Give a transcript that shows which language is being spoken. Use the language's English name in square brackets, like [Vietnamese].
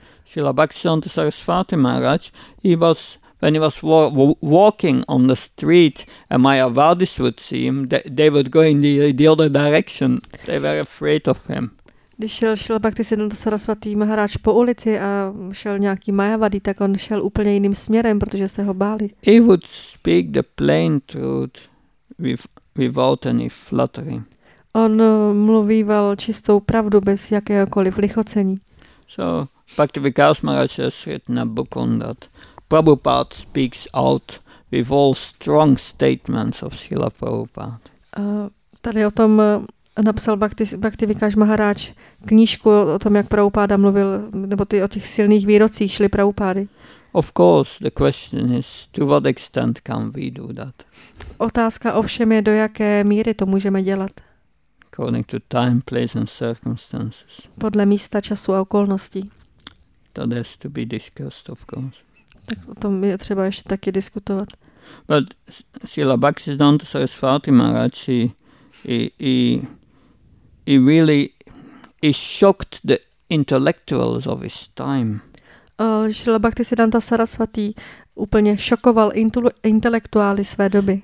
[English] Srila Bhaktisiddhanta Sarasvati Maharaj, when he was walking on the street and Mayavadis would see him, they would go in the other direction. They were afraid of him. [Czech] Když šel Bhaktisiddhanta Sarasvati Maharaj po ulici a šel nějaký Mayavadi, tak on šel úplně jiným směrem, protože se ho báli. [English] He would speak the plain truth without any flattery. [Czech] On mluvíval čistou pravdu bez jakéhokoliv lichocení. [English] So Bhaktivikas Maharaj has written a book on that. Prabhupada speaks out with all strong statements of Srila Prabhupada. [Czech] Tady o tom napsal Bhaktivikas Maharaj knížku o tom, jak Prabhupada mluvil, nebo o těch silných výrocích šli Prabhupady. [English] Of course, the question is, to what extent can we do that? [Czech] Otázka ovšem je, do jaké míry to můžeme dělat. [English] According to time, place and circumstances. [Czech] Podle místa, času a okolností. [English] That has to be discussed, of course. [Czech] Tak o tom je třeba ještě taky diskutovat. [English] But Srila Bhaktisiddhanta Sarasvati Maharaj, he really shocked the intellectuals of his time. [Czech] Srila Bhaktisiddhanta Sarasvati úplně šokoval intelektuály své doby.